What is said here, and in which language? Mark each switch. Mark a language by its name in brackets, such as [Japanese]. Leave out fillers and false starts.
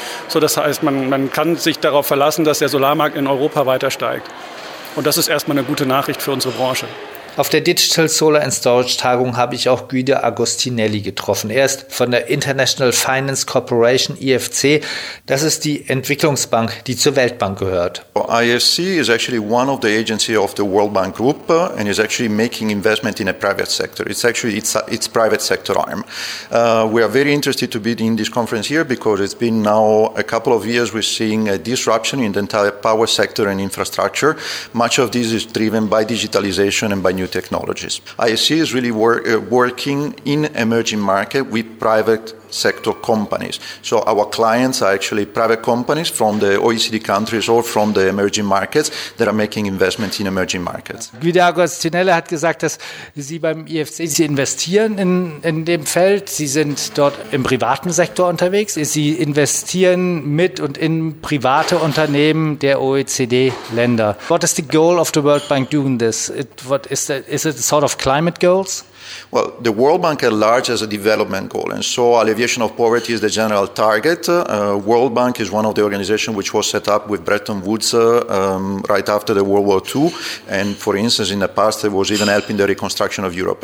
[German] So, das heißt, man kann sich darauf verlassen, dass der Solarmarkt in Europa weiter steigt. Und das ist erstmal eine gute Nachricht für unsere Branche. Auf der Digital Solar and Storage Tagung habe ich auch Guido Agostinelli getroffen. Er ist von der International Finance Corporation, IFC. Das ist die Entwicklungsbank, die zur Weltbank gehört. [English] IFC is actually one of the agencies of the World Bank Group and is actually making investment in a private sector. It's private sector arm. We are very interested to be in this conference here because it's been now a couple of years we're seeing a disruption in the entire power sector and infrastructure. Much of this is driven by digitalization and by new technologies. IFC is really working in emerging market with private sector companies. So our clients are actually private companies from the OECD countries or from the emerging markets that are making investments in emerging markets. [German] Guido Agostinelli hat gesagt, dass Sie beim IFC, Sie investieren in dem Feld, Sie sind dort im privaten Sektor unterwegs, Sie investieren mit und in private Unternehmen der OECD-Länder. [English] What is the goal of the World Bank doing this? Is it a sort of climate goals? Well, the World Bank at large has a development goal, and so alleviation of poverty is the general target. World Bank is one of the organizations which was set up with Bretton Woods right after the World War II, and for instance, in the past, it was even helping the reconstruction of Europe.